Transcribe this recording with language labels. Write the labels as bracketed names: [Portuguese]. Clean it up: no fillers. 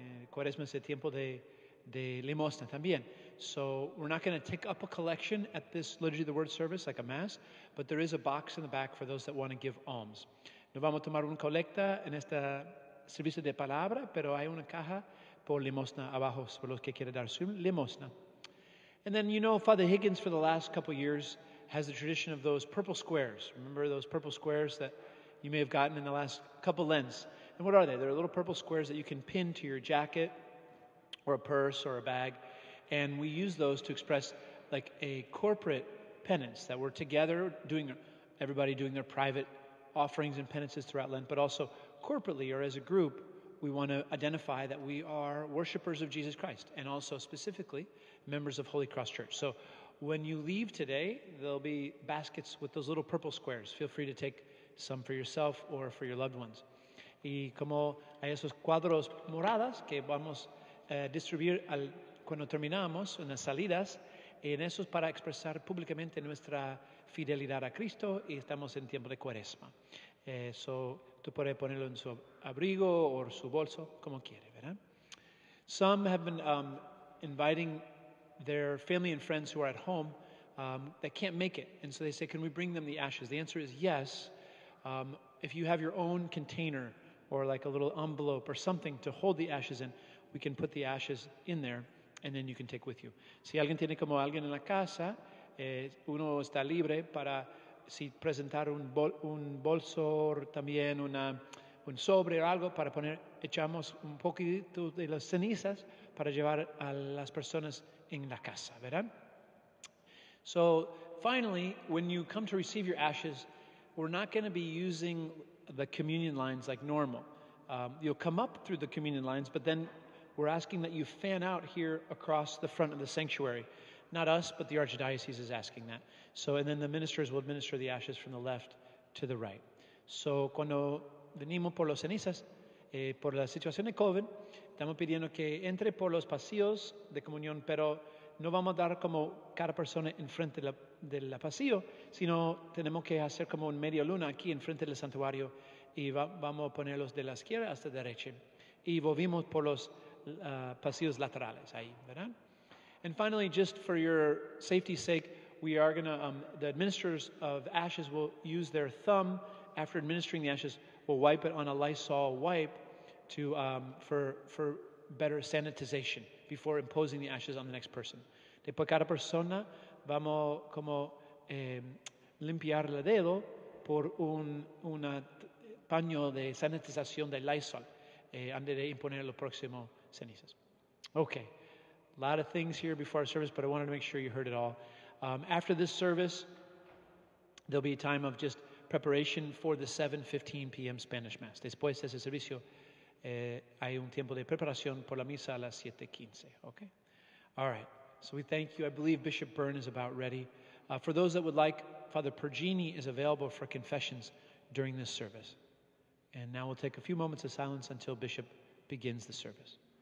[Spanish] Cuaresma es el tiempo de limosna también. [English] So we're not going to take up a collection at this Liturgy of the Word service, like a mass, but there is a box in the back for those that want to give alms. [Spanish] No vamos a tomar una colecta en este servicio de palabra, pero hay una caja por limosna abajo por los que quieren dar su limosna. [English] And then, you know, Father Higgins for the last couple of years has the tradition of those purple squares. Remember those purple squares that you may have gotten in the last couple of Lents? And what are they? They're little purple squares that you can pin to your jacket or a purse or a bag. And we use those to express like a corporate penance that we're together doing, everybody doing their private offerings and penances throughout Lent, but also corporately or as a group, we want to identify that we are worshipers of Jesus Christ and also specifically members of Holy Cross Church. So when you leave today, there'll be baskets with those little purple squares. Feel free to take some for yourself or for your loved ones. [Spanish] Y como hay esos cuadros moradas que vamos distribuir cuando terminamos en las salidas, en esos para expresar públicamente nuestra fidelidad a Cristo y estamos en tiempo de cuaresma. So, tú puedes ponerlo en su abrigo o su bolso, como quieres, ¿verdad? [English] Some have been inviting their family and friends who are at home that can't make it. And so they say, can we bring them the ashes? The answer is yes. If you have your own container or like a little envelope or something to hold the ashes in, we can put the ashes in there and then you can take with you. [Spanish] Si alguien tiene como alguien en la casa, uno está libre para si presentar un bolso o también un sobre o algo para poner, echamos un poquito de las cenizas para llevar a las personas en la casa, ¿verdad? [English] So finally, when you come to receive your ashes, we're not going to be using the communion lines like normal. You'll come up through the communion lines, but then we're asking that you fan out here across the front of the sanctuary. Not us, but the Archdiocese is asking that. So, and then the ministers will administer the ashes from the left to the right. [Spanish] So, cuando venimos por los cenizas, por la situación de COVID, estamos pidiendo que entre por los pasillos de comunión, pero no vamos a dar como cada persona enfrente del pasillo, sino tenemos que hacer como un media luna aquí enfrente del santuario y vamos a ponerlos de la izquierda hasta la derecha. Y volvimos por los pasillos laterales ahí, ¿verdad? [English] And finally, just for your safety's sake, we are going to, the administrators of ashes will use their thumb after administering the ashes, will wipe it on a Lysol wipe for better sanitization before imposing the ashes on the next person. [Spanish] Después cada persona vamos como limpiar el dedo por un paño de sanitización de Lysol antes de imponer los próximos cenizas. [English] Okay, a lot of things here before our service, but I wanted to make sure you heard it all. After this service, there'll be a time of just preparation for the 7:15 p.m. Spanish Mass. [Spanish] Después de ese servicio, hay un tiempo de preparación por la misa a las 7:15. [English] Okay? All right. So we thank you. I believe Bishop Byrne is about ready. For those that would like, Father Pergini is available for confessions during this service. And now we'll take a few moments of silence until Bishop begins the service.